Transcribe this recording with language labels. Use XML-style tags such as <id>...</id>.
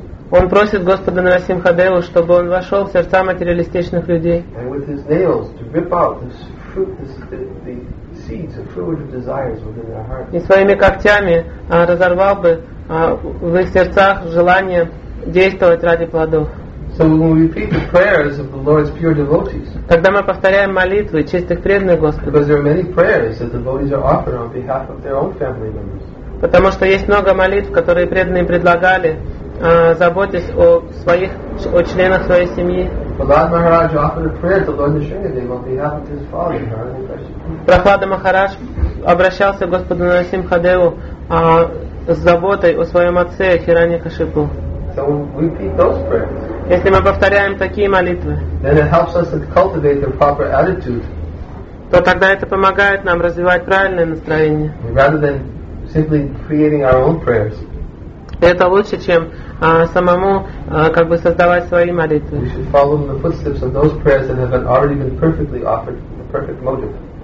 <ru>Он просит Господа Нарасимхадеву, чтобы он вошел в сердца материалистичных людей.</ru> <en>And with his nails to rip out this fruit, the seeds of fruit of desires within their heart.</en> <ru>И своими когтями разорвал бы в их сердцах желание действовать ради плодов.</ru> <en>So when we repeat the prayers of the Lord's pure devotees.</en> <ru>Когда мы повторяем молитвы чистых преданных Господа.</ru> <en>Because there are many prayers that the devotees are offering on behalf of their own family members.</en> <ru>Потому что есть много молитв, которые преданные предлагали, заботясь о членах своей семьи.</ru> <en>Prahlad Maharaj offered a prayer to Lord Narasimhadev on behalf of his father, Narasimhadev.</en> <ru>Prahlada Maharaj обращался к Господу Нарасимхадеву с заботой о своем отце Хираньякашипу.</ru> <en>So we repeat those prayers.</en> <ru>Если мы повторяем такие молитвы,</ru> <en>then it helps us to cultivate the proper attitude.</en> <ru>То тогда это помогает нам развивать правильное настроение.</ru> <en>Rather than simply creating our own prayers.</en> <ru>Это лучше, чем самому как бы создавать свои молитвы.</ru> <en>We should follow in the footsteps of those prayers that have already been perfectly offered, the perfect motive.</en>